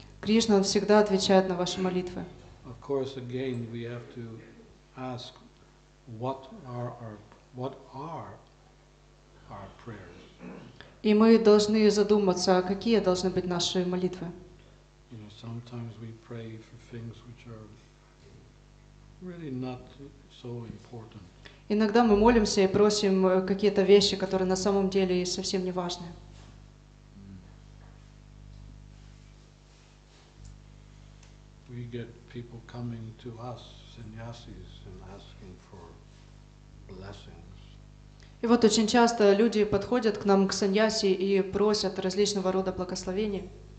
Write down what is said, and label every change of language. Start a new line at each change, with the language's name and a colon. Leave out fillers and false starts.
Russian: Кришна всегда отвечает на ваши молитвы.
English: Of course, again, we have to ask what are our prayers.
Russian: И мы должны задуматься, какие должны быть наши молитвы.
English: You know, sometimes we pray for things which are really not so important.
Russian: Иногда мы молимся и просим какие-то вещи, которые на самом деле совсем не важны.
English: We get people coming to us, sannyasis, and asking for blessings.
Russian: И вот очень часто люди подходят к нам, к саньяси, и просят различного рода благословений.